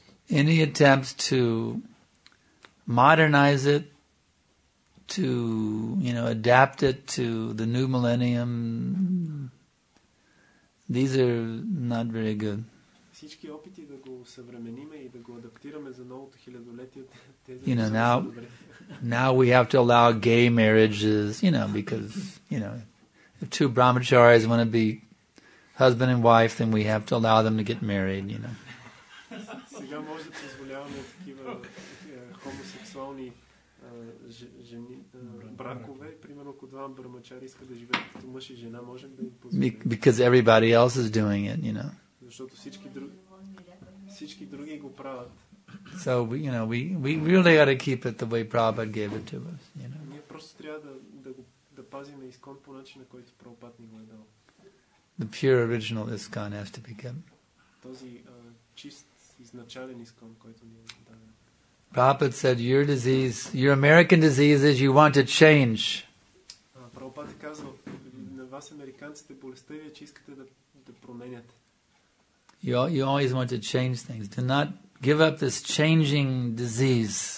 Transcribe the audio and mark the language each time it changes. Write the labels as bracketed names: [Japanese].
[English] Any attempts to modernize it, to, you know, adapt it to the new millennium, these are not very good. [Bulgarian] Всички опити да го съвременим и да го адаптираме за новото хилядолетие, тези са добре. [English] Now we have to allow gay marriages, you know, because, you know, if two brahmacharis want to be husband and wife, then we have to allow them to get married, you know. [Bulgarian] Сега може да позволяваме такива хомосексуални жени бракове, примерно ако два брамачари искат да живеят като мъж и жена, можем да им позволим. [English] Because everybody else is doing it, you know. [Bulgarian] Защото всички други го правят. [English] So, you know, we really got to keep it the way Prabhupada gave it to us, you know. [Bulgarian] Ние просто трябва да пазим ISKCON по начина, който Прабхупада ни го е дал. [English] The pure original ISKCON has to be kept. [Bulgarian] Този чист изначален ISKCON, който ни е дал. [English] Prabhupada said, your disease, your American disease is you want to change. [Bulgarian] Прабхупада казва, на вас американците болестта ви е, че искате да променяте. [English] You always want to change things. Do not give up this changing disease.